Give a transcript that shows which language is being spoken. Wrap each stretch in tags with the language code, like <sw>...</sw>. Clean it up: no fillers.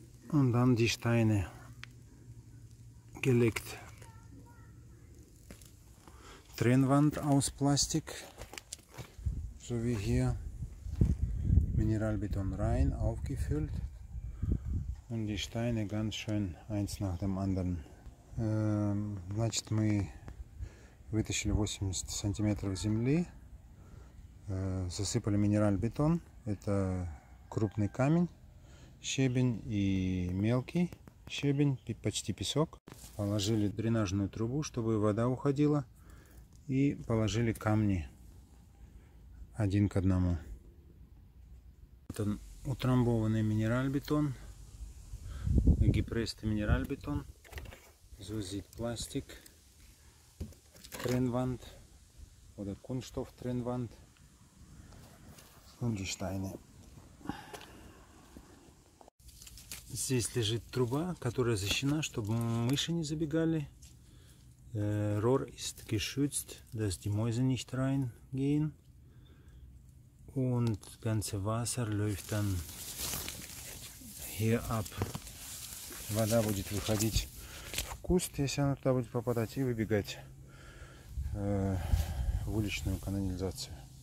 <de>Und dann die Steine gelegt. Trennwand aus Plastik, so wie hier. Mineralbeton rein, aufgefüllt. Und die Steine ganz schön eins nach dem anderen.</de> <ru>Значит, мы вытащили 80 сантиметров земли, засыпали минеральбетон, это крупный камень, щебень и мелкий щебень, почти песок. Положили дренажную трубу, чтобы вода уходила, и положили камни один к одному. Это утрамбованный минеральбетон.</ru> <de>Gepresster Mineralbeton, so sieht Plastik Trennwand oder Kunststoff Trennwand und die Steine.</de> <ru>Здесь лежит труба, которая защищена, чтобы мыши не забегали.</ru> <de>Rohr ist geschützt, dass die Mäuse nicht reingehen. Und ganze Wasser läuft dann hier ab.</de> <ru>Вода будет выходить в куст, если она туда будет попадать, и выбегать в уличную канализацию.</ru>